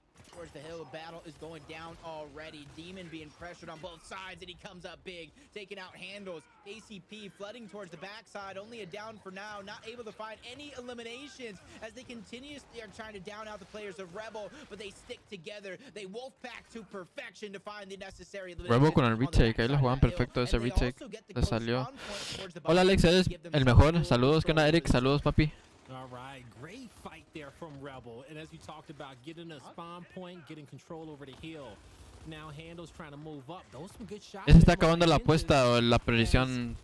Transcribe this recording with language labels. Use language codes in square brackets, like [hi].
[en] Towards the hill, battle is going down already. Demon being pressured on both sides, and he comes up big, taking out handles. ACP flooding towards the backside, only a down for now, not able to find any eliminations as they continuously are trying to down out the players of Rebel, but they stick together. They wolf back to perfection to find the necessary elimination. [es] Rebel con el retake, ahí lo jugaban perfecto ese retake. Le salió. Hola Alex, eres el mejor. Saludos, ¿qué onda, Eric? Saludos, papi. [en] All right, great fight there from Rebel. And as you talked about, getting a spawn point, getting control over the hill. Now Handle's trying to move up. Those some good shots. [es] Ya se está acabando la apuesta o la predicción.